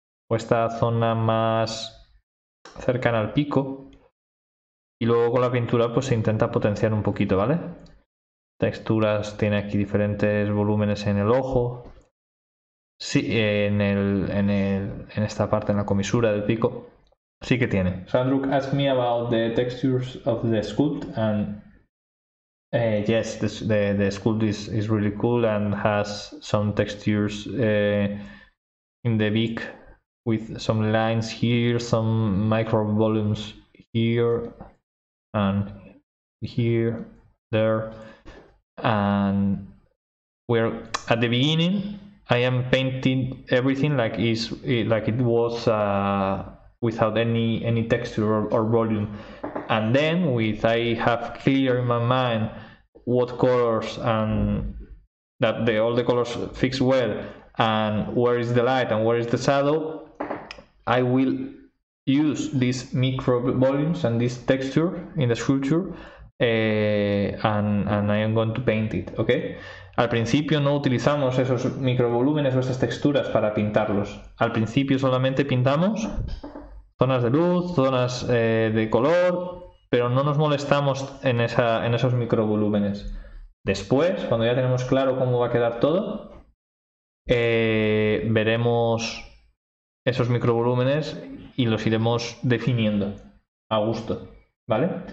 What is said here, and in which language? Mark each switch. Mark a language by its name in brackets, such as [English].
[Spanish] O esta zona más cercana al pico, y luego con la pintura pues se intenta potenciar un poquito, ¿vale? Texturas, tiene aquí diferentes volúmenes en el ojo, sí, en esta parte, en la comisura del pico, sí que tiene. [English] Sandruk asked me about the textures of the sculpt, and yes, the sculpt is really cool and has some textures in the beak, with some lines here, some micro volumes here and here, there, and we're at the beginning. I am painting everything like it was without any texture or volume, and then with I have clear in my mind what colors and that all the colors fix well, and where is the light and where is the shadow, I will use these micro volumes and this texture in the sculpture, and I am going to paint it, okay? [Spanish] Al principio no utilizamos esos microvolúmenes o esas texturas para pintarlos. Al principio solamente pintamos zonas de luz, zonas de color, pero no nos molestamos en esos microvolúmenes. Después, cuando ya tenemos claro cómo va a quedar todo, veremos esos microvolúmenes y los iremos definiendo a gusto, ¿vale?